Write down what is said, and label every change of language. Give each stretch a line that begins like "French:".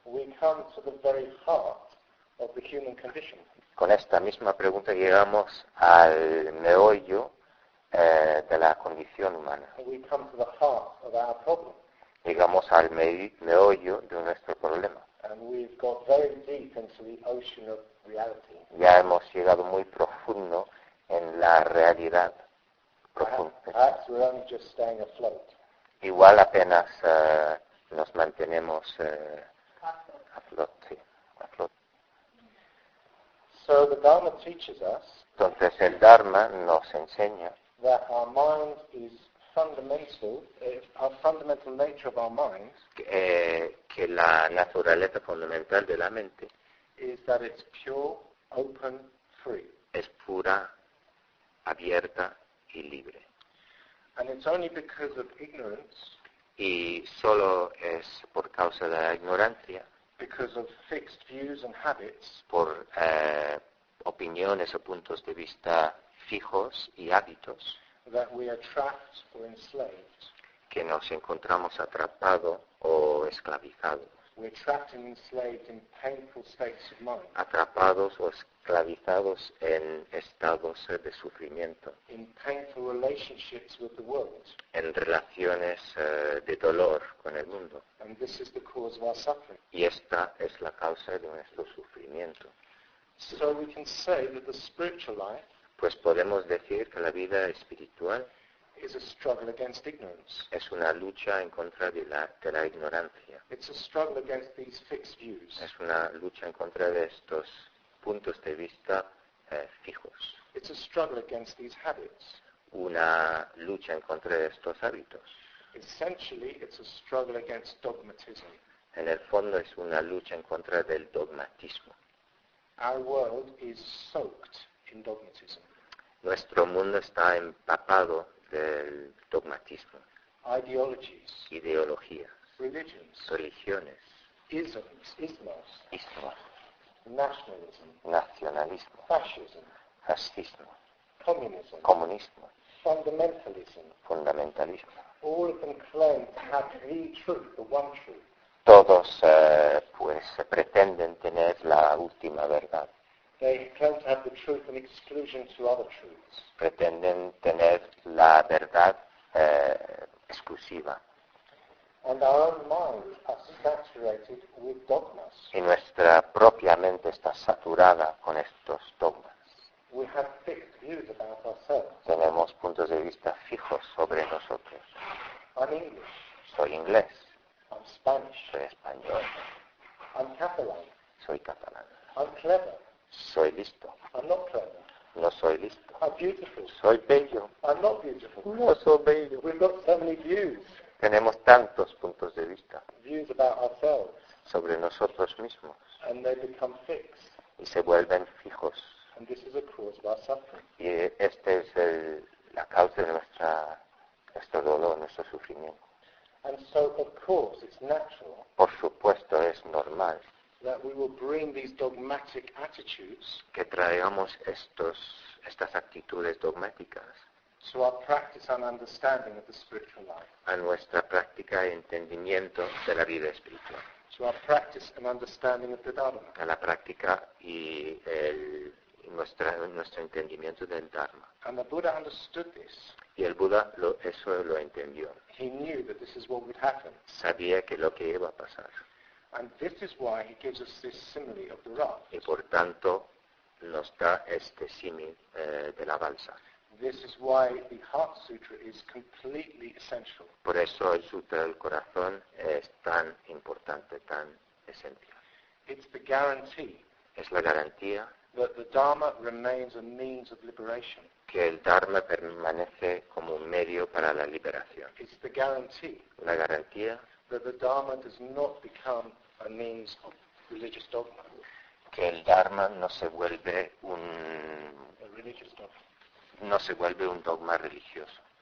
English: we come to the very heart of the human condition.
Spanish: Con esta misma pregunta llegamos al meollo de la condición humana.
English: And we come to the heart of our problem.
Spanish: Llegamos al meollo de nuestro problema.
English: And we've got very deep into the ocean of reality.
Spanish: Ya hemos llegado muy profundo en la realidad profunda.
English: Perhaps we're only just staying afloat.
Spanish: Igual apenas nos mantenemos a flote.
English: So the Dharma teaches us.
Spanish: Entonces el Dharma nos enseña
English: that our mind is fundamental. Our fundamental nature of our mind.
Spanish: Que la naturaleza fundamental de la mente
English: is that it's pure, open, free.
Spanish: Es pura, abierta y libre.
English: And it's only because of ignorance.
Spanish: Y solo es por causa de la ignorancia.
English: Because of fixed views and habits,
Spanish: por opiniones o puntos de vista fijos y hábitos,
English: that we are trapped or enslaved,
Spanish: que nos encontramos atrapados o esclavizados,
English: we're trapped and enslaved in painful states of mind,
Spanish: atrapados o esclavizados en estados de sufrimiento,
English: in painful relationships with the world,
Spanish: en relaciones de dolor con el mundo.
English: And this is the cause of our suffering.
Spanish: Y esta es la causa de nuestro sufrimiento.
English: So we can say that the spiritual life,
Spanish: pues podemos decir que la vida espiritual
English: is a struggle against ignorance.
Spanish: Es una lucha en contra de la ignorancia.
English: It's a struggle against these fixed views.
Spanish: Es una lucha en contra de estos puntos de vista fijos.
English: It's a struggle against these habits.
Spanish: Una lucha en contra de estos hábitos.
English: Essentially, it's a struggle against dogmatism.
Spanish: En el fondo es una lucha en contra del dogmatismo.
English: Our world is soaked in dogmatism.
Spanish: Nuestro mundo está empapado del dogmatismo.
English: Ideologies.
Spanish: Ideologías.
English: Religions.
Spanish: Religiones.
English: Isms. Ismos.
Spanish: Ismos.
English: Nationalism.
Spanish: Nacionalismo.
English: Fascism.
Spanish: Fascismo.
English: Communism.
Spanish: Comunismo.
English: Fundamentalism.
Spanish: Fundamentalismo.
English: All of them claim to have the truth, the one truth.
Spanish: Todos, pues, pretenden tener la última verdad.
English: They claim to have the truth in exclusion to other truths.
Spanish: Pretenden tener la verdad exclusiva.
English: And our own minds are saturated with dogmas.
Spanish: Y nuestra propia mente está saturada con estos dogmas.
English: We have fixed views about ourselves.
Spanish: Tenemos puntos de vista fijos sobre nosotros.
English: I'm English.
Spanish: Soy inglés.
English: I'm Spanish.
Spanish: Soy español.
English: I'm Catalan.
Spanish: Soy catalán.
English: I'm clever.
Spanish: Soy listo.
English: I'm not clever.
Spanish: No soy listo.
English: I'm beautiful.
Spanish: Soy bello.
English: I'm not beautiful.
Spanish: No soy bello.
English: We've got so many views.
Spanish: Tenemos tantos puntos de vista.
English: Views about ourselves.
Spanish: Sobre nosotros mismos.
English: And they become fixed.
Spanish: Y se vuelven fijos.
English: And this is a cause of our suffering.
Spanish: Y este es la causa de nuestro dolor, nuestro sufrimiento.
English: And so, of course, it's natural.
Spanish: Por supuesto, es normal.
English: That we will bring these dogmatic attitudes.
Spanish: Que traigamos estas actitudes dogmáticas.
English: To our practice and understanding of the spiritual life.
Spanish: A nuestra práctica y entendimiento de la vida espiritual.
English: To our practice and understanding of the Dharma.
Spanish: A la práctica y nuestro entendimiento del Dharma.
English: And the Buddha understood this.
Spanish: Y el Buda eso lo entendió.
English: He knew that this is what would happen.
Spanish: Sabía que lo que iba a pasar.
English: And this is why he gives us this simile of the raft.
Spanish: Y por tanto nos da este símil de la balsa.
English: This is why the Heart Sutra is completely essential.
Spanish: Por eso el Sutra del Corazón es tan importante, tan esencial.
English: It's the guarantee.
Spanish: Es la garantía.
English: That the Dharma remains a means of liberation.
Spanish: Que el Dharma permanece como un medio para la liberación.
English: It's the guarantee.
Spanish: La garantía.
English: That the Dharma does not become a means of religious dogma.
Spanish: Que el Dharma no se vuelve un...
English: A religious dogma.
Spanish: No se vuelve un dogma religioso.